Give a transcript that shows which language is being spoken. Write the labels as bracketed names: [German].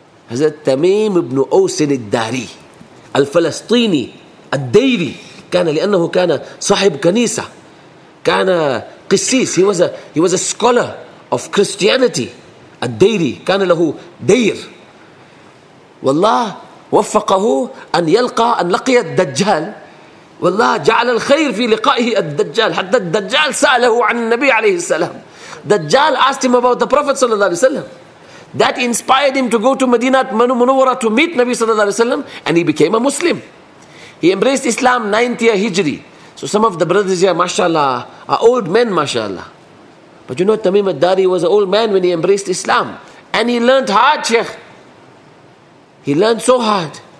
[English] Hazrat Tamim ibn Awsin al-Dari. Al-Falastini. Al-Dairi. [Arabic] كان لأنه كان صاحب كنيسة كان قسيس. [English] He was a scholar of Christianity. [Arabic] الديري كان له دير. والله وفقه أن يلقى أن لقي الدجال. والله جعل الخير في لقائه الدجال. حتى الدجال سأله عن النبي عليه السلام. [English] دجال asked him about the Prophet [Arabic] صلى الله عليه وسلم. [English] That inspired him to go to Medina Munawwara to meet Nabi صلى الله عليه وسلم, and he became a Muslim. He embraced Islam 9th year Hijri. So some of the brothers here, mashallah, are old men, mashallah. But you know, Tamim al-Dari was an old man when he embraced Islam. And he learned hard, Sheikh. He learned so hard.